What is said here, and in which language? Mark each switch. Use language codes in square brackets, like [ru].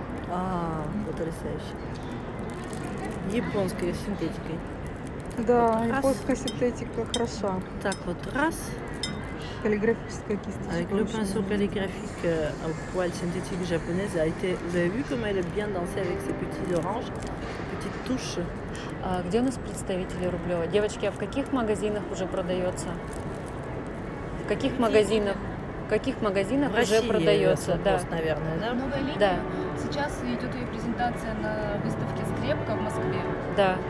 [ru] А, потрясающе. Японская синтетика. Да, японская синтетика хороша. Так вот, раз. Каллиграфическая кисточка. [fr] Avec le pinceau calligraphique au poil synthétique japonaise a été. Vous avez vu comment elle a bien dansé avec ses petits oranges, petites touches. [ru] А где у нас представители Рублёва? Девочки, а в каких магазинах уже продается? В каких магазинах? В каких магазинах в России уже продается? Да, наверное, да? Новая линия. Да. Сейчас идет ее презентация на выставке «Скрепка» в Москве. Да.